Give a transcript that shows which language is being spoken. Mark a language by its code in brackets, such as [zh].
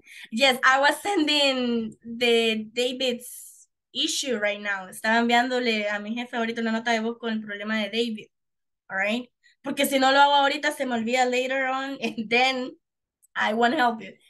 [en] Yes, I was sending the David's issue right now. [es] Estaba enviándole a mi jefe ahorita una nota de voz con el problema de David. [en] All right? [es] Porque si no lo hago ahorita, se me olvida [en] later on, and then I won't help you.